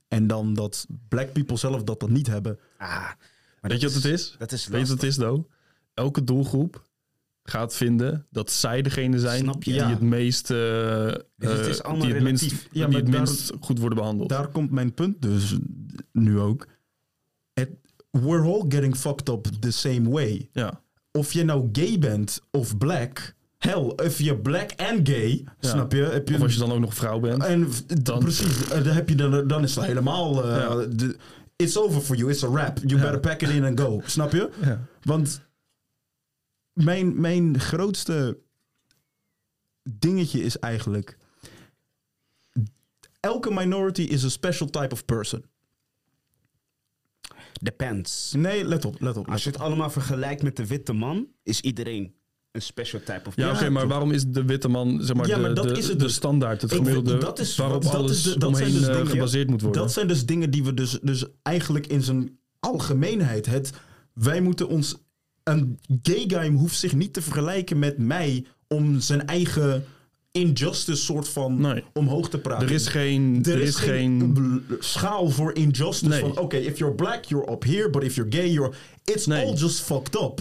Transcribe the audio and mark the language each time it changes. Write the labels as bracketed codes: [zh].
[nl] En dan dat black people zelf dat niet hebben. Weet je wat het is, though? Elke doelgroep gaat vinden dat zij degene zijn die het minst goed worden behandeld. Daar komt mijn punt dus nu ook. [en] We're all getting fucked up the same way. [nl] Ja. Of je nou gay bent of black. [en] Hell, if [nl] je black and gay, ja. Snap je? Heb je of als je dan ook nog vrouw bent. En dan precies, dan heb je dan is het helemaal... [en] it's over for you, it's a wrap. You better pack it in and go, [nl] snap je? Ja. Want mijn grootste dingetje is eigenlijk... [en] Elke minority is a special type of person. Depends. [nl] Nee, let op. Als je het allemaal vergelijkt met de witte man, is iedereen een [en] special type of [nl] man. Ja, oké, maar waarom is de witte man de standaard, het gemiddelde, waarop alles omheen gebaseerd moet worden? Dat zijn dus dingen die we dus eigenlijk in zijn algemeenheid, wij moeten ons, een gay guy hoeft zich niet te vergelijken met mij om zijn eigen... injustice soort van omhoog te praten. Er is geen schaal voor [en] injustice. [nl] Nee. Oké, [en] if you're black, you're up here. But if you're gay, all just fucked up.